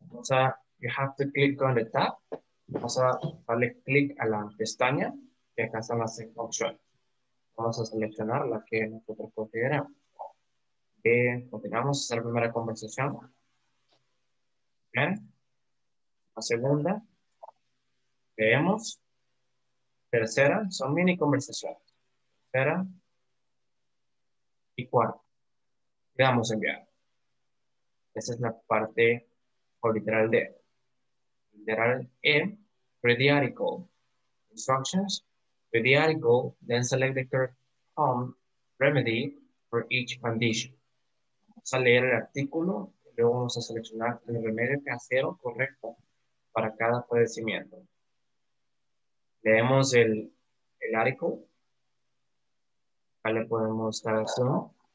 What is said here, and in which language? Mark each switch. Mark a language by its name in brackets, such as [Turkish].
[English] Okay. So you have to click on the tab. [Spanish] Vamos a darle click a la pestaña y acá están las opciones. Vamos a seleccionar la que nosotros consideramos. Continuamos a hacer la primera conversación. Bien. La segunda. Leemos. Tercera. Son mini conversaciones. Tercera. Y cuarta. Le damos a enviar. Esa es la parte o literal D. Literal E. [English] Read the article. Instructions. Read the article. Then select the correct remedy for each condition. [Spanish] Vamos a leer el artículo y luego vamos a seleccionar el remedio casero correcto para cada padecimiento. Leemos el article. Acá le podemos dar zoom.